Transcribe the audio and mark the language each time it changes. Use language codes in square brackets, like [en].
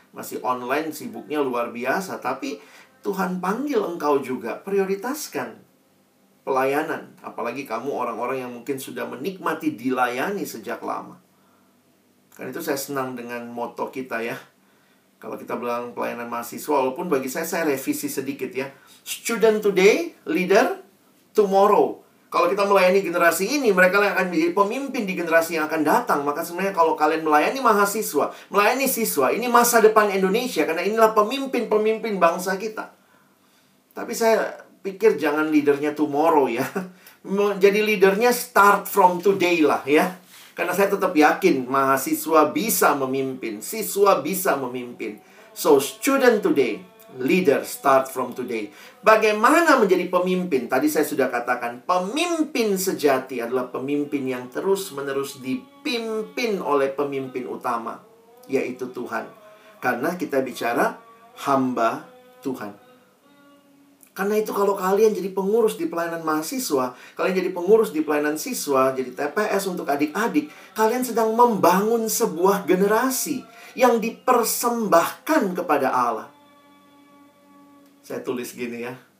[id] Masih online sibuknya luar biasa. Tapi Tuhan panggil engkau juga, prioritaskan pelayanan. Apalagi kamu orang-orang yang mungkin sudah menikmati dilayani sejak lama. Kan itu saya senang dengan moto kita ya. Kalau kita bilang pelayanan mahasiswa, walaupun bagi saya revisi sedikit ya. [en] Student today, leader tomorrow. [id] Kalau kita melayani generasi ini, mereka yang akan menjadi pemimpin di generasi yang akan datang. Maka sebenarnya kalau kalian melayani mahasiswa, melayani siswa, ini masa depan Indonesia. Karena inilah pemimpin-pemimpin bangsa kita. Tapi saya pikir jangan leadernya tomorrow ya. Jadi leadernya [en] start from today [id] lah ya. Karena saya tetap yakin mahasiswa bisa memimpin, siswa bisa memimpin. [en] So student today, leader start from today. [id] Bagaimana menjadi pemimpin? Tadi saya sudah katakan, pemimpin sejati adalah pemimpin yang terus-menerus dipimpin oleh pemimpin utama, yaitu Tuhan. Karena kita bicara hamba Tuhan. Karena itu kalau kalian jadi pengurus di pelayanan mahasiswa, kalian jadi pengurus di pelayanan siswa, jadi TPS untuk adik-adik, kalian sedang membangun sebuah generasi yang dipersembahkan kepada Allah. Saya tulis gini ya,